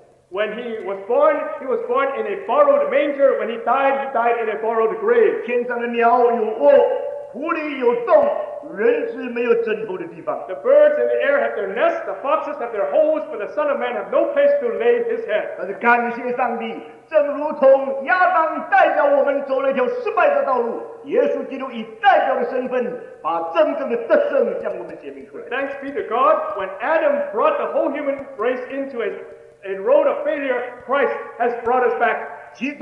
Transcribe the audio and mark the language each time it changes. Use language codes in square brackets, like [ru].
[en] When He was born, He was born in a borrowed manger. When He died in a borrowed grave. [zh] 天上的鸟有窝, 狐狸有洞, [en] the birds in the air have their nests, the foxes have their holes, but the Son of Man have no place to lay His head. [zh] 但是感谢上帝, 正如同亚当代表我们走了一条失败的道路, 耶稣基督以代表的身份把真正的得胜向我们显明出来。 [en] Thanks be to God, when Adam brought the whole human race into it, a road of failure, Christ has brought us back.